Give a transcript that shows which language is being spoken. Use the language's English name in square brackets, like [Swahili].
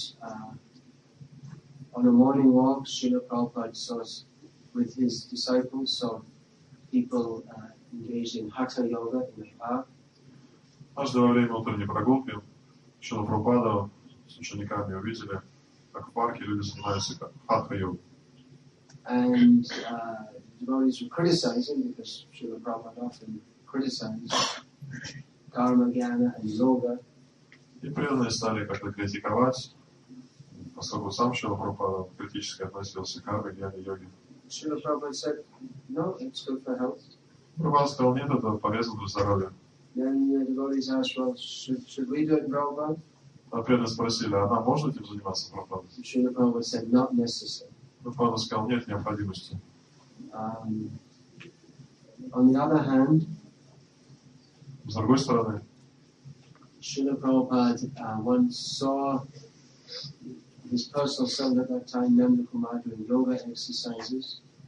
[English] Once on a morning walk, Srila Prabhupada saw with his disciples saw people engaged in hatha yoga in the park. [Russian] Однажды во время утренней прогулки Шрила Прабхупада с учениками увидели, как в парке люди занимаются как хатха-йогой. [English] And devotees were criticizing because Srila Prabhupada often criticized Dharma, Jnana, and Yoga. [Russian] И преданные стали как-то критиковать, поскольку сам Шрила Прабхупада критически относился к карме, гьяне, йоге. [English] Шрила Прабхупада said, no, it's good for health. [Russian] Прабхупада сказал, нет, это полезно для здоровья. [English] Then the devotees asked, well, should we do it, Prabhupada? [Russian] А преданные спросили, а нам можно этим заниматься, Прабхупада? [English] Шрила Прабхупада said, not necessary. [Russian] Прабхупада сказал, нет необходимости. [English] On the other hand, [Russian] с другой стороны, [English] Srila Prabhupada once saw his personal son at that time, Nanda Kumar, doing yoga exercises.